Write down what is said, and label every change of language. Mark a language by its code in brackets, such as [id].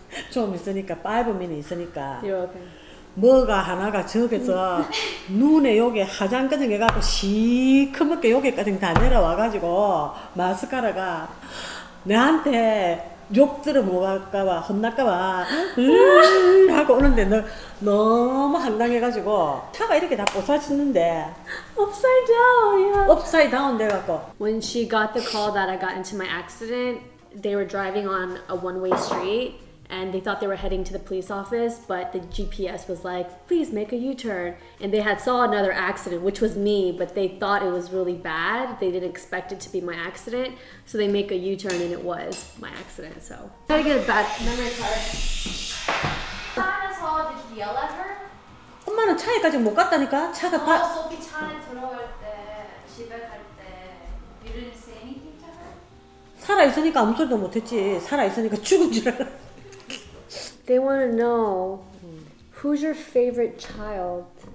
[ko] 좀 있으니까 5분이 있으니까 뭐가 하나가 저기서 눈에 요게 화장까지 해갖고 시커멓게 요게까지 다 내려와가지고 마스카라가 내한테 욕 들어먹을까봐 혼날까봐 하고 오는데 너무 황당해가지고 차가 이렇게 다 부서졌는데 [en] upside down, yeah. upside down [ko] 돼갖고 [en] When she got the call that I got into my accident, they were driving on a one-way street. And they thought they were heading to the police office, but the GPS was like, please make a U-turn. And they had saw another accident, which was me, but they thought it was really bad. They didn't expect it to be my accident. So they make a U-turn and it was my accident, so. I gotta get a bad memory card. [ko] 엄마는 차에까지 못 갔다니까? 차가 다... 저기 차에 들어갈 때, 집에 갈 때, [en] you didn't say anything to her? [ko] 살아 있으니까 아무 소리도 못 했지. 살아 있으니까 죽은 줄 알아. [en] They want to know who's your favorite child.